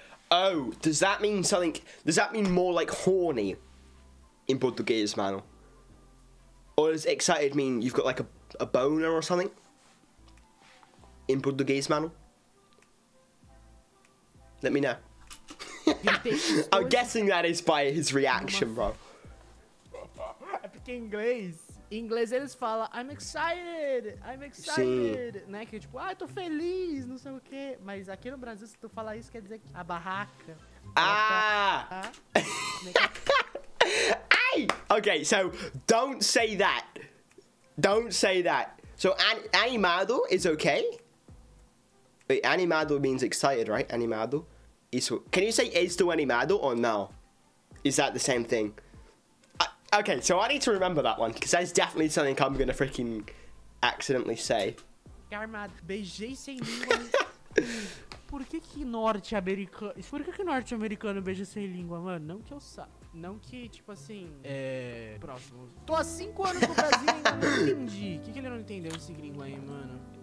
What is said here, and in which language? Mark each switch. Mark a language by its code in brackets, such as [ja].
[en] Oh, does that mean something? Does that mean more like horny in Portuguese, mano? Or does excited mean you've got like a boner or something in Portuguese, mano? Let me know. I'm guessing that is by his reaction, bro. [pt] É porque em inglês eles falam [en] I'm excited, [pt] sim. Né, que tipo, ah, eu tô feliz, não sei o quê. Mas aqui no Brasil, se tu falar isso, quer dizer que a barraca... Ai! [en] Okay, so, don't say that. So, animado is okay? Wait, animado means excited, right? Animado? Isso. Can you say estou animado or no? Is that the same thing? Okay, so I need to remember that one, because that's definitely something I'm going to freaking accidentally say. [pt] Garmad, beijei sem língua. Por que que norte-americano beija sem língua, mano? Não que eu saiba. Não que, tipo assim... É... Próximo. Tô há 5 anos no Brasil e não entendi. Que ele não entendeu esse gringo aí, mano?